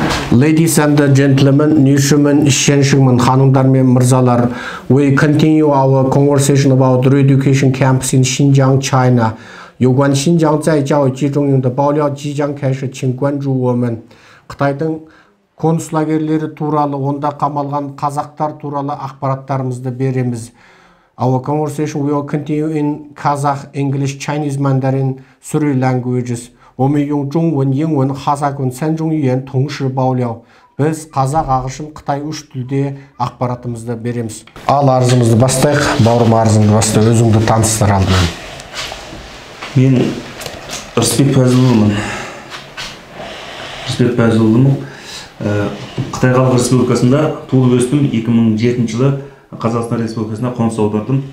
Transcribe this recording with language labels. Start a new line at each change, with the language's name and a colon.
English: Ladies and gentlemen, newsmen, shenshimen, khanumdar men mirzalar, we continue our conversation about re-education camps in Xinjiang, China.
Chinese: 有关新疆在教育集中营的爆料即将开始，请关注我们。
Kazakh: қытайдың консулагерлері туралы, онда қамалған қазақтар туралы ақпараттарымызды береміз.
English: Our conversation will continue in Kazakh, English, Chinese, Mandarin, Suri languages.
Chinese: 我们用中文、英文、哈萨克三种语言同时爆料。
Kazakh: Біз қазақ, ағылшын, қытай үш тілде ақпаратымызды береміз. Ал арызымызды бастайық, бауырым, арызымды баста, өзіңді таныстыр алдымен. Мен Ырысбек Пазылұлымын. Ырысбек Пазылұлымын. Қытай Халық Республикасында туылып өстім. 2007 жылы Қазақстан Республикасына қоныс аудардым.